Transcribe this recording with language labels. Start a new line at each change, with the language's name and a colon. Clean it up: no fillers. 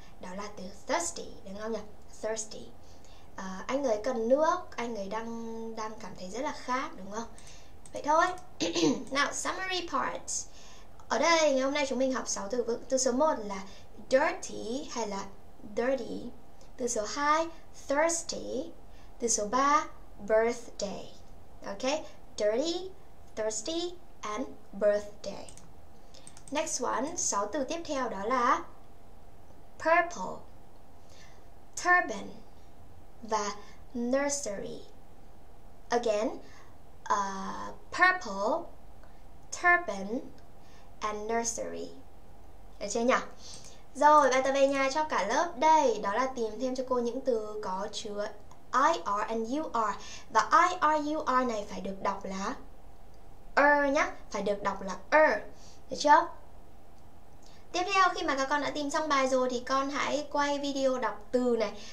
Vietnamese: Đó là từ thirsty, đúng không nhỉ? Thirsty. Anh ấy cần nước, anh ấy đang đang cảm thấy rất là khát, đúng không? Vậy thôi.
English: Now, summary part.
Vietnamese: Ở đây, ngày hôm nay chúng mình học 6 từ vựng. Từ số 1 là dirty hay là dirty. Từ số 2, thirsty. Từ số 3, birthday.
English: Ok, dirty, thirsty and birthday. Next one,
Vietnamese: 6 từ tiếp theo đó là purple, turban và nursery.
English: Again, purple, turban and nursery.
Vietnamese: Được chưa nhỉ? Rồi, bài tập về nhà cho cả lớp đây, đó là tìm thêm cho cô những từ có chứa IR and UR. Và IR, UR này phải được đọc là nhá, phải được đọc là được chưa? Tiếp theo, khi mà các con đã tìm xong bài rồi thì con hãy quay video đọc từ này.